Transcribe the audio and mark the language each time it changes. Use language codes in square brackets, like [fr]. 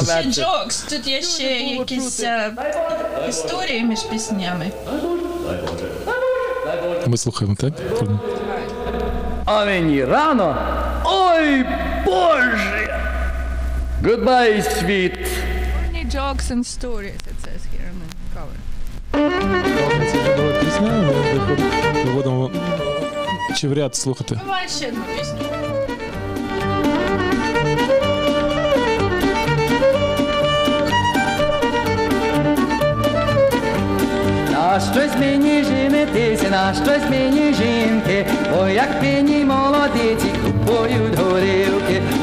[uk] Тут є ще джокс, тут є ще якісь історії між піснями. Ми слухаємо, так? А мені рано? Ой, Боже! [en] Goodbye, [uk] світ! [en] Only jokes and stories, it says here on the cover. [uk] Це чудова пісня, але ми будемо чи в ряд слухати. Давай ще одну пісню. На щось мені жінитися, на щось мені жінки, бо як мені молодиці купують горілки.